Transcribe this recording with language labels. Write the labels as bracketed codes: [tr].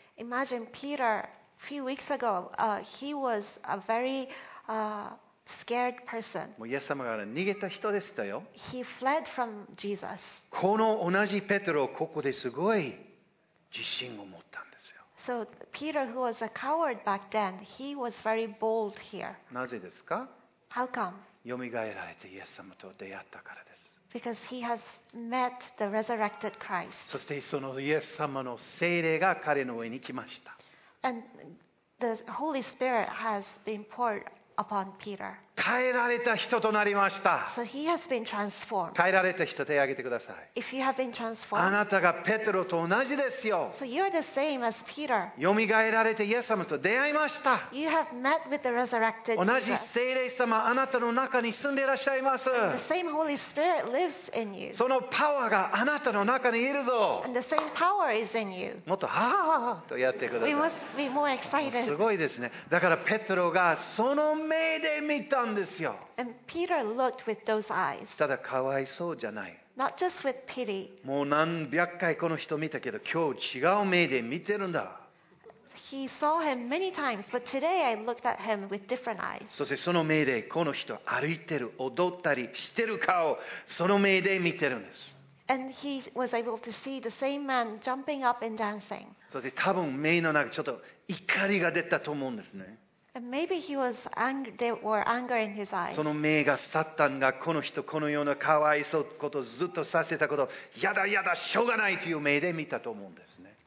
[en] Imagine Peter, a few weeks ago, he was a very, scared person. [ja] もうイエス様から逃げた人でしたよ。 [en] He fled from Jesus. [ja] この同じペテロをここですごい自信を持ったんですよ。 [en] So Peter, who was a coward back then, he was very bold here. [ja] なぜですか？ [en] How come? [ja] よみがえられてイエス様と出会ったからです。 [en] Because he has met the resurrected Christ. [ja] そしてそのイエス様の聖霊が彼の上に来ました。 [en] And the Holy Spirit has been poured. Upon Peter. [ja] 変えられた人となりました。 [en] So he has been transformed. [ja] 変えられた人手を挙げてください。 [en] If you have been transformed. [ja] あなたがペテロと同じですよ。 [en] So you're the same as Peter. [ja] よみがえられてイエス様と出会いました。 [en] You have met with the resurrected Jesus. [ja] 同じ聖霊様あなたの中に住んでいらっしゃいます。 [en] And the same Holy Spirit lives in you. [ja] そのパワーがあなたの中にいるぞ。 [en] And the same power is in you. [ja] もっとはーはーはーとやってください。 [en] We must be more excited. [ja] すごいですね。だからペテロがその目で見たんですよ。 [en] And Peter looked with those eyes. [ja] ただかわいそうじゃない。 [en] Not just with pity. [ja] もう何百回この人見たけど、今日違う目で見てるんだ。 [en] He saw him many times, but today I looked at him with different eyes. [ja] そしてその目でこの人歩いてる、踊ったりしてる顔、その目で見てるんです。 [en] And he was able to see the same man jumping up and dancing. [ja] そして多分目の中ちょっと怒りが出たと思うんですね。 [en] And maybe he was angry, there were anger in his eyes. [ja] その目がサタンがこの人このようなかわいそうことをずっとさせたこと、やだやだしょうがないという目で見たと思うんですね。